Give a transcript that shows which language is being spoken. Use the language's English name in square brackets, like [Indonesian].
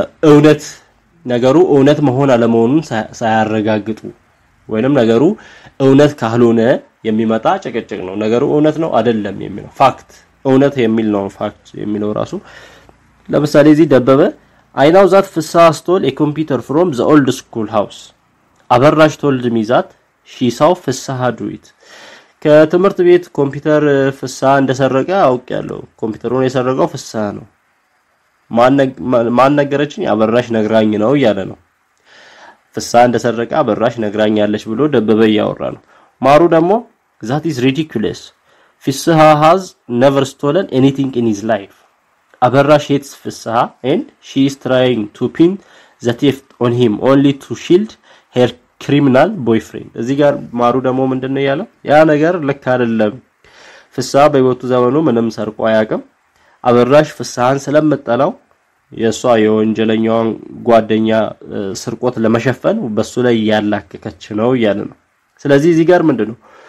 [Amharic] እውነት ነገሩ እውነት መሆን አለመሆኑን ሳይያረጋግጡ ወይንም ነገሩ እውነት ካልሆነ የሚመጣ ጭቅጭቅ ነው። ነገሩ እውነት ነው አይደለም የሚለው ፋክት እውነት የሚል ነው ፋክት የሚለው ራሱ። ለምሳሌ እዚህ ደበበ [English] I know that Fissa stole a computer from the old school house. አበራሽ told me that she saw Fissa do it. [Amharic] ከትምህርት ቤት ኮምፒውተር ፍሳ እንደሰረቀ አውቀያለሁ። ኮምፒውተሩን የሰረቀው ፍሳ ነው። ማን ነገረችኝ? አበራሽ ነግራኝ ነው ያለ ነው። ፍሳ እንደሰረቀ አበራሽ ነግራኝ ያለሽ ብሎ ደበበ ያወራ ነው። ማሩ ደግሞ [English] that is ridiculous. Fissa has never stolen anything in his life. አበራሽ hates ፍስሃ and she is trying to pin the theft on him only to shield her criminal boyfriend. [Amharic] እዚህ ጋር ማሩ ደሞ ምንድነው ያለው? ያ ነገር ልክ አይደለም። ፍስሃ በህይወቱ ዘመኑ ምንም ሰርቆ አያውቅም። አበራሽ ፍስሃን ስለመጣለው የሷ የወንጀለኛውን ጓደኛ ስርቆት ለመሸፈን በሱ ላይ ያላከከች ነው ያለ ነው። ስለዚህ እዚህ ጋር ምንድነው?